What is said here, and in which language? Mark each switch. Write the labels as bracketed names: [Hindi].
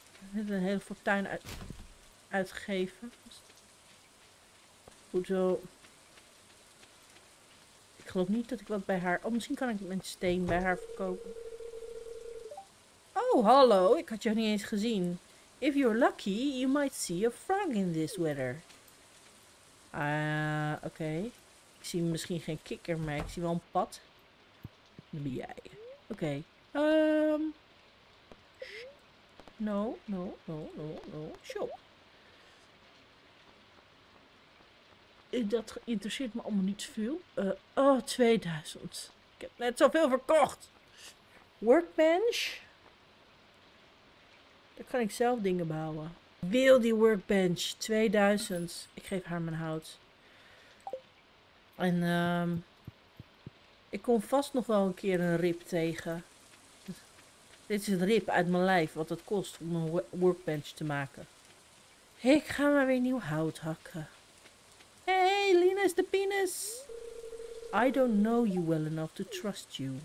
[Dutch] Met een hele fortuin uitgegeven. Goed zo. Ik geloof niet dat ik wat bij haar... Oh, misschien kan ik mijn steen bij haar verkopen. Oh, hallo. Ik had jou niet eens gezien. [English] If you're lucky, you might see a frog in this weather. [Dutch] Oké. Ik zie misschien geen kikker, maar ik zie wel een pad. Dan ben jij. Oké. [English] No. Shop. [Dutch] Dat interesseert me allemaal niet veel. 2000. Ik heb net zoveel verkocht. Workbench. Daar kan ik zelf dingen bouwen. Wil die workbench. 2000. Ik geef haar mijn hout. En ik kom vast nog wel een keer een rib tegen. Dit is een rib uit mijn lijf. Wat het kost om een workbench te maken. Ik ga maar weer nieuw hout hakken. Hey, Linus de penis. [English] I don't know you well enough to trust you.